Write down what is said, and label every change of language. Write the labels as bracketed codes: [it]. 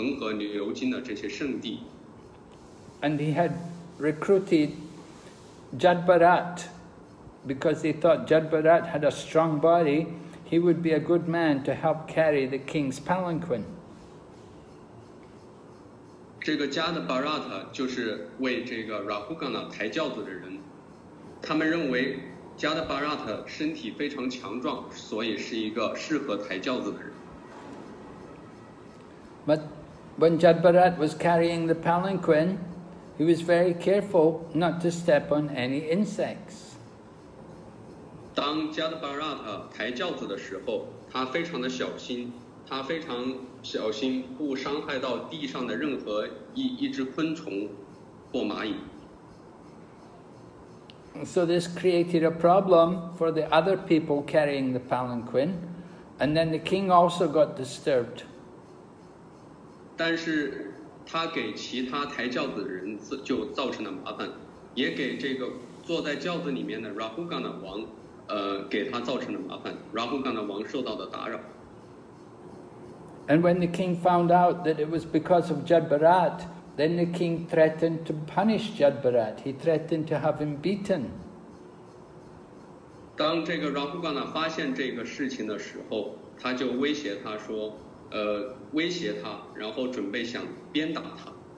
[en] And he had recruited Jadbharat because he thought Jadbharat had a strong body, he would be a good man to help carry the king's palanquin. [zh] 这个加德巴拉塔就是为这个拉胡甘纳抬轿子的人，他们认为加德巴拉塔身体非常强壮，所以是一个适合抬轿子的人。 [en] But when Jadbharat was carrying the palanquin, he was very careful not to step on any insects. [zh] 当加德巴拉塔抬轿子的时候，他非常的小心。他非常小心，不伤害到地上的任何一只昆虫或蚂蚁。 [en] So this created a problem for the other people carrying the palanquin, and then the king also got disturbed. [zh] 但是，他给其他抬轿子的人就造成了麻烦，也给这个坐在轿子里面的 Rahugana 王，给他造成了麻烦。 Rahugana 王受到的打扰。 [en] And when the king found out that it was because of Jadbharat, then the king threatened to punish Jadbharat. He threatened to have him beaten. [zh] 当这个 Rahugana 发现这个事情的时候，他就威胁他说，威胁他，然后准备想鞭打他。